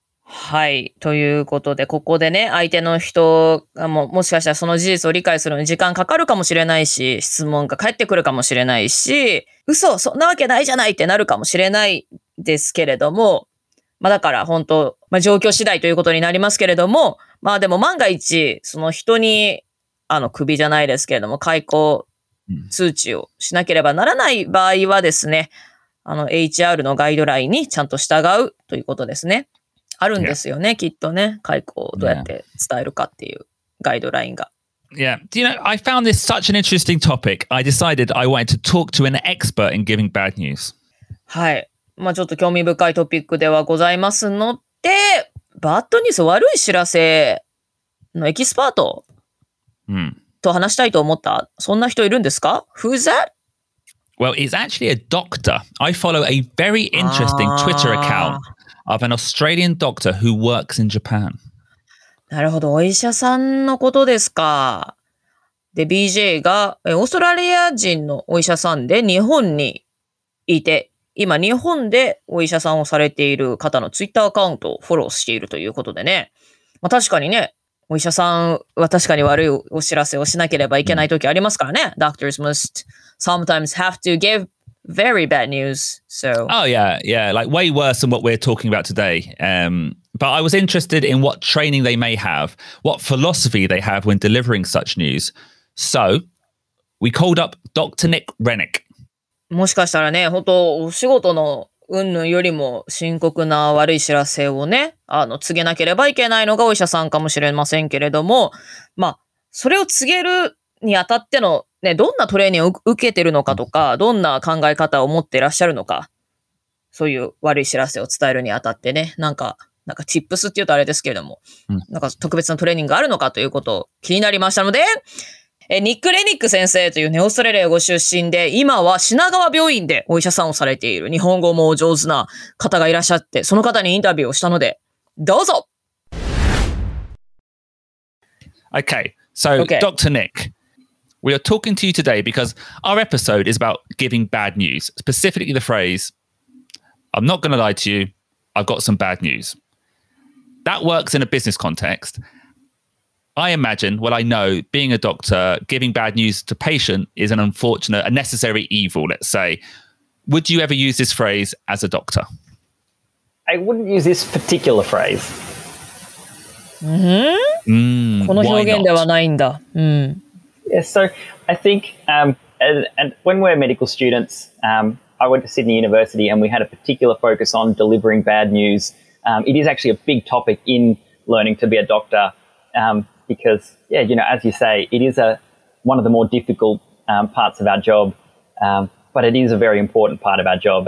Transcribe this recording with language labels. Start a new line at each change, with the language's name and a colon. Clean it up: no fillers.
Japanese: はい、ということで、ここでね、相手の人がもしかしたらその事実を理解するのに時間かかるかもしれないし、質問が返ってくるかもしれないし、嘘、そんなわけないじゃないってなるかもしれないですけれども、まあだから本当、まあ状況次第ということになりますけれども、まあでも万が一、その人に、首じゃないですけれども、解雇通知をしなければならない場合はですね、HR のガイドラインにちゃんと従うということですね。あるんですよね、きっとね。解雇をどうやって伝えるかっていうガイドラインが。
English: Yeah. Do you know, I found this such an interesting topic. I decided I wanted to talk to an expert in giving bad news.
Japanese: はい。まあちょっと興味深いトピックではございますので、バッドニュース、悪い知らせのエキスパート、と話したいと思った。そんな人いるんですか?
English: Who's that? Well, it's actually a doctor. I follow a very interesting Twitter account of an Australian doctor who works in Japan.
Japanese: なるほど、お医者さんのことですか。で、BJ がオーストラリア人のお医者さんで日本にいて、今日本でお医者さんをされている方のツイッターアカウントをフォローしているということでね、まあ、確かにね、お医者さんは確かに悪いお知らせをしなければいけない時ありますからね。
English: Doctors must sometimes have to give very bad news. So, oh yeah, yeah, like way worse than what we're talking about today. But I was interested in what training they may have, what philosophy they have when delivering such news. So, we called up Dr. Nick Rennick.
Japanese: もしかしたらね、本当お仕事の云々よりも深刻な悪い知らせをね、告げなければいけないのがお医者さんかもしれませんけれども、まあ、それを告げるにあたってのね、どんなトレーニングを受けてるのかとか、どんな考え方を持っていらっしゃるのか、そういう悪い知らせを伝えるにあたってね、なんか、チップスって言うとあれですけれども、なんか特別なトレーニングがあるのかということを気になりましたので、ニック・レニック先生というね、オーストラリアご出身で、今は品川病院でお医者さんをされている日本語も上手な方がいらっしゃって、その方にインタビューをしたので、どうぞ。
English: Okay, so okay. Dr. Nick, we are talking to you today because our episode is about giving bad news, specifically the phrase, I'm not going to lie to you, I've got some bad news. That works in a business context. I imagine, well, I know, being a doctor, giving bad news to patient is an unfortunate, a necessary evil, let's say. Would you ever use this phrase as a doctor? I wouldn't use this particular phrase.
Japanese: この表現ではないんだ。
English: Yes, so I think, and when we're medical students, I went to Sydney University and we had a particular focus on delivering bad news. It is actually a big topic in learning to be a doctor. Because, yeah, you know, as you say, it is one of the more difficult parts of our job, but it is a very important part of our job.